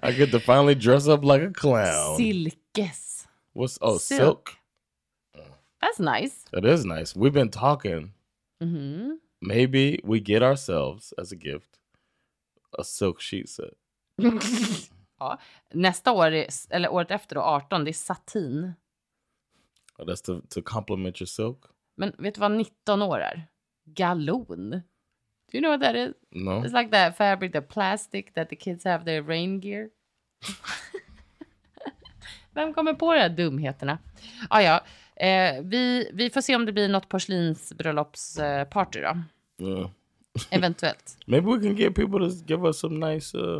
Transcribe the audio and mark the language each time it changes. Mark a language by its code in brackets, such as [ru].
[en] I get to finally dress up like a clown. [sv] Silkes. [en] What's, oh, silk? That's nice. It is nice. We've been talking. Maybe we get ourselves as a gift a silk sheet set. [sv] Ja, nästa år, eller året efter då, 18, det är satin. [en] Oh, that's to compliment your silk. [sv] Men vet du vad 19 år är? Galon. [en] Do you know what that is? No. It's like that fabric, the plastic that the kids have their rain gear. [sv] Vem kommer på de här dumheterna? Ah, ja. Vi får se om det blir något porslinsbröllopsparty då. [en] Yeah. [sv] Eventuellt. [en] Maybe we can get people to give us some nice